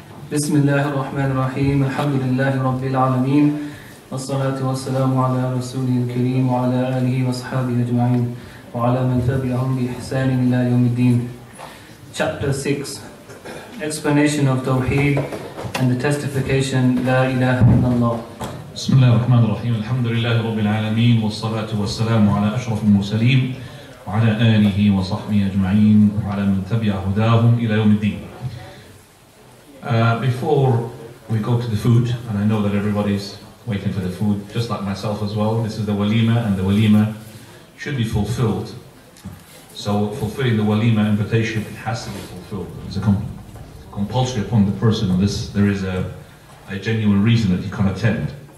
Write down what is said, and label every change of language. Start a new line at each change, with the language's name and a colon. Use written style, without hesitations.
Arabic: بسم الله الرحمن الرحيم الحمد لله رب العالمين والصلاة والسلام على رسوله الكريم وعلى آله وصحبه أجمعين وعلى من تبعهم بإحسان إلى يوم الدين.
English: Chapter 6, Explanation of Tawheed and the Testification La ilaha illallah.
Arabic: بسم الله الرحمن الرحيم الحمد لله رب العالمين والصلاة والسلام على أشرف المرسلين وعلى آله وصحبه أجمعين وعلى من تبع هداهم إلى يوم الدين.
English: Before we go to the food, and I know that everybody's waiting for the food, just like myself as well, this is the walima, and the walima should be fulfilled. So fulfilling the walima invitation, it has to be fulfilled. It's a compulsory upon the person, unless there is a genuine reason that you can't attend.